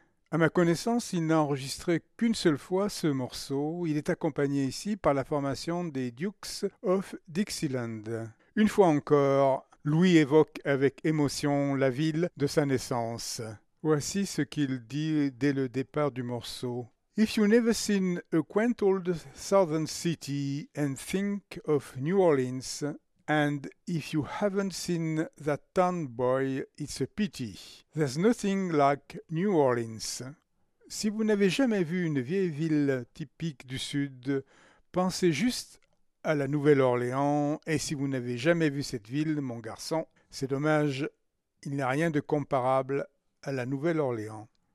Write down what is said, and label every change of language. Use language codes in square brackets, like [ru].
[fr] À ma connaissance, il n'a enregistré qu'une seule fois ce morceau. Il est accompagné ici par la formation des Dukes of Dixieland. Une fois encore, Louis évoque avec émotion la ville de sa naissance. Voici ce qu'il dit dès le départ du morceau. [en] « If you never seen a quaint old southern city and think of New Orleans, and if you haven't seen that town boy, it's a pity. There's nothing like New Orleans. [fr] » Si vous n'avez jamais vu une vieille ville typique du Sud, pensez juste à la Nouvelle-Orléans. Et si vous n'avez jamais vu cette ville, mon garçon, c'est dommage, il n'y a rien de comparable à la Nouvelle-Orléans.